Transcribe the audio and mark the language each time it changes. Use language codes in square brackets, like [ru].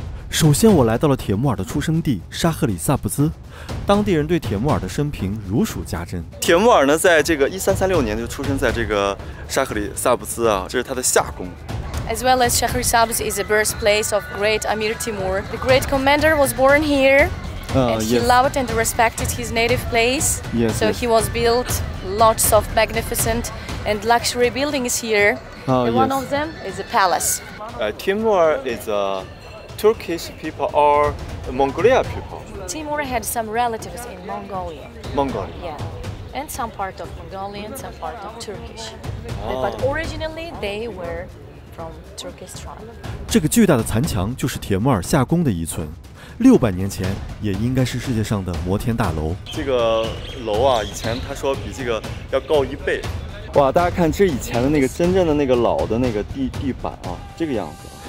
[zh] 首先我来到了帖木儿的出生地沙赫里萨布兹，当地人对帖木儿的生平如数家珍。帖木儿呢，在这个1336年就出生在这个沙赫里萨布兹啊，这是他的夏宫。 [en] As well as Shahrisabz is the birthplace of great Amir Timur. The great commander was born here, and he loved and respected his native place. Yes. So he was built lots of magnificent and luxury buildings here. One of them is a palace. Timur is a Turkish people or a Mongolia people. Timur had some relatives in Mongolia. Mongolia. Yeah. And some part of Mongolian, some part of Turkish. But originally they were from Turkish tribe. [zh] 这个巨大的残墙就是帖木儿夏宫的遗存，600年前也应该是世界上的摩天大楼。这个楼啊，以前他说比这个要高一倍。哇，大家看，这以前的那个真正的那个老的那个地板啊，这个样子。